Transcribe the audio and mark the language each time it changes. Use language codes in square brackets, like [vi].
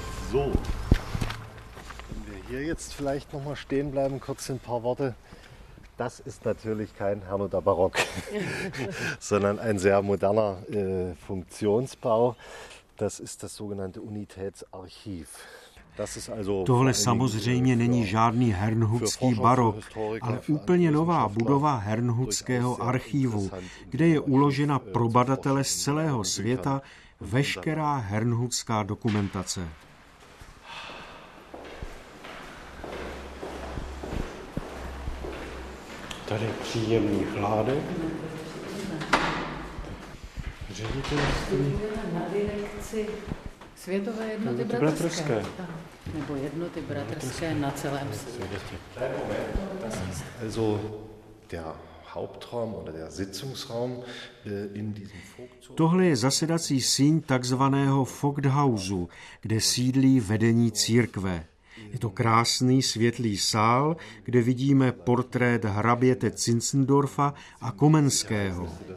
[de] So, wenn wir hier jetzt vielleicht noch mal stehen bleiben, kurz ein paar Worte. Das ist natürlich kein Herrnhuter Barock, sondern ein sehr moderner Funktionsbau. Das ist das sogenannte Unitätsarchiv. [cs] Tohle samozřejmě není žádný hernhutský barok, ale úplně nová budova hernhutského archivu, kde je uložena pro badatele z celého světa veškerá hernhutská dokumentace. Tady je příjemný chládek. Ředitelství. Na direkci Světové jednoty bratrské. Nebo jednoty bratrské na celém světě. [de] Also der Hauptraum oder der Sitzungsraum in diesem Vogtzug. [cs] Tohle je zasedací síň takzvaného Vogthausu, kde sídlí vedení církve. Je to krásný světlý sál, kde vidíme portrét hraběte Zinzendorfa a Komenského.